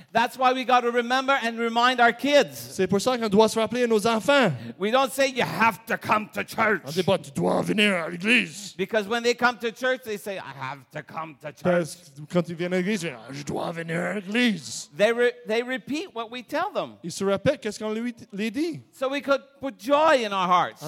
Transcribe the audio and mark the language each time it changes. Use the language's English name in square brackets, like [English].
[English] That's why we got to remember and remind our kids. [French] C'est pour ça qu'on doit se rappeler nos enfants. [English] We don't say you have to come to church. [French] On dit pas tu dois venir à l'église. [English] Because when they come to church, they say I have to come to church. [French] Parce que quand ils viennent à l'église, je dois venir à l'église. [English] They repeat what we tell them. [French] Ils se répètent qu'est-ce qu'on lui dit. [English] So we could put joy in our hearts.